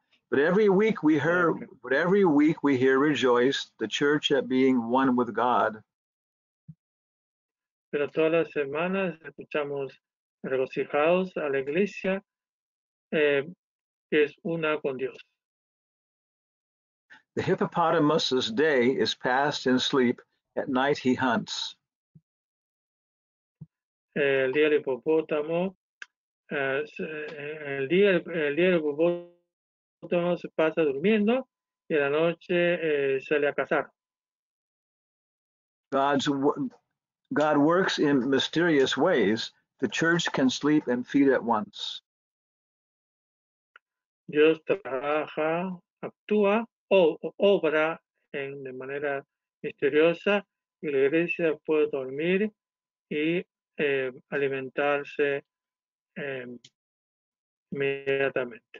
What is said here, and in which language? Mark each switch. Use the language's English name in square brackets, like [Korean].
[English] But every week we hear, but every week we hear rejoice the church at being one with God. [Spanish] Pero todas las semanas escuchamos regocijados a la iglesia que es una con Dios. [English] The hippopotamus's day is passed in sleep. At night he hunts. [Spanish] El día del hipopótamo, el día del hipopótamo. Se pasa durmiendo y en la noche sale a cazar. [English] God works in mysterious ways. The church can sleep and feed at once. [Spanish] Dios trabaja, actúa o obra en de manera misteriosa y la iglesia puede dormir y alimentarse inmediatamente.